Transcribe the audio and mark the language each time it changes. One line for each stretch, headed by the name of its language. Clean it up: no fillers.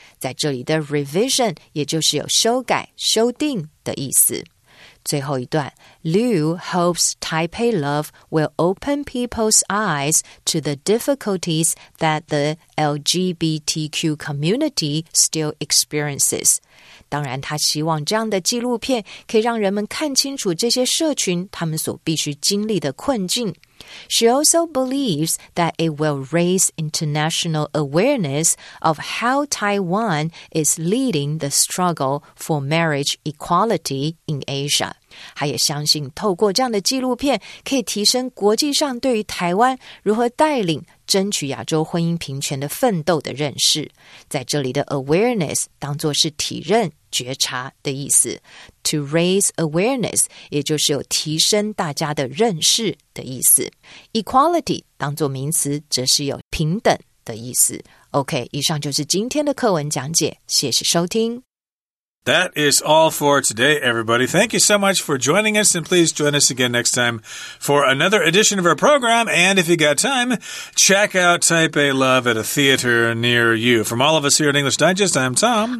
Chinese: 在这里的 revision 也就是有修改、修订的意思。最后一段
English: Liu hopes Taipei Love will open people's eyes to the difficulties that the LGBTQ community still experiences.
Chinese: 当然他希望这样的纪录片可以让人们看清楚这些社群他们所必须经历的困境。
English: She also believes that it will raise international awareness of how Taiwan is leading the struggle for marriage equality in Asia.
Chinese: 她也相信透过这样的纪录片可以提升国际上对于台湾如何带领争取亚洲婚姻平权的奋斗的认识。在这里的 awareness 当作是体认觉察的意思。
English: To raise awareness,
Chinese: 也就是有提升大家的认识的意思。 Equality, 当作名词则是有平等的意思。 OK, 以上就是今天的课文讲解。谢谢收听。
English: That is all for today, everybody. Thank you so much for joining us, and please join us again next time for another edition of our program. And if you got time, check out Taipei Love at a theater near you. From all of us here at English Digest, I'm Tom.